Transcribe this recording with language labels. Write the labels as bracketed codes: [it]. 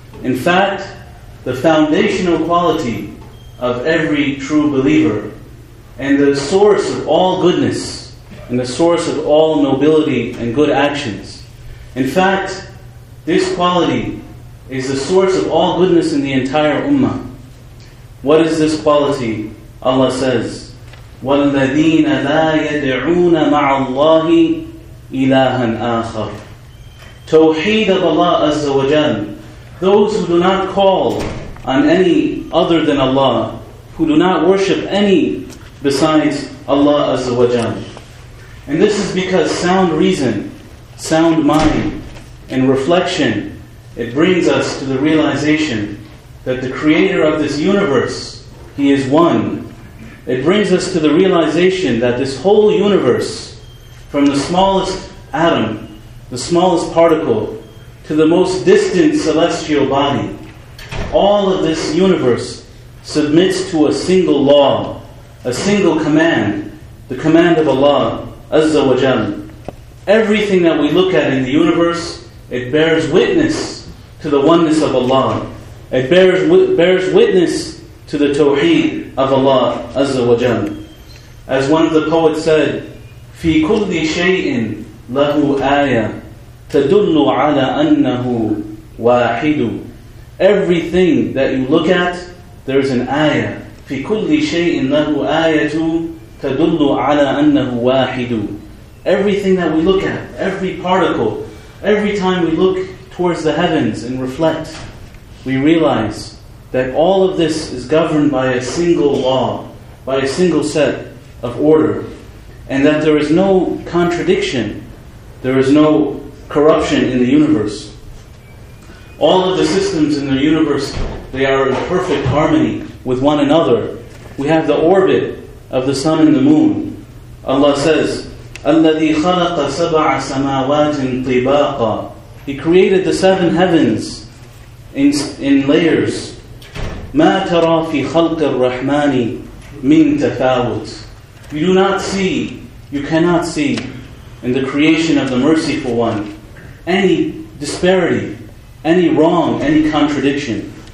[en] In fact, the foundational quality of every true believer, and the source of all goodness, and the source of all nobility and good actions. In fact, this quality is the source of all goodness in the entire ummah. What is this quality? Allah says, [ar] وَالَّذِينَ لَا يَدْعُونَ مَعَ اللَّهِ إِلَٰهًا آخَرٍ. [en] Tawheed of Allah Azza wa Jal. Those who do not call on any other than Allah, who do not worship any besides Allah Azza wa Jal. And this is because sound reason, sound mind, and reflection, it brings us to the realization that the Creator of this universe, He is one. It brings us to the realization that this whole universe, from the smallest atom, the smallest particle, to the most distant celestial body, all of this universe submits to a single law, a single command, the command of Allah Azza wa Jal. Everything that we look at in the universe, it bears witness to the oneness of Allah. It bears witness to the tawheed of Allah Azza wa Jal. As one of the poets said, [ar] فِي كُلِّ شَيْءٍ لَهُ آيَةٍ تَدُلُّ عَلَىٰ أَنَّهُ وَاحِدٌ. [en] Everything that you look at, there is an ayah. [ar] فِي كُلِّ شَيْءٍ لَهُ آيَةٌ تَدُلُّ عَلَىٰ أَنَّهُ وَاحِدٌ. [en] Everything that we look at, every particle, every time we look towards the heavens and reflect, we realize that all of this is governed by a single law, by a single set of order, and that there is no contradiction, there is no corruption in the universe. All of the systems in the universe They are in perfect harmony with one another. We have the orbit of the sun and the moon. Allah says, [ar] الَّذِي خَلَقَ سَبْعَ سَمَاوَاتٍ طِبَاقًا. [en] He created the seven heavens in layers. [ar] مَا تَرَى فِي خَلْقِ الرَّحْمَانِ مِنْ تَفَاوُتٍ. [en] You do not see, you cannot see, in the creation of the Merciful One, any disparity, any wrong, any contradiction.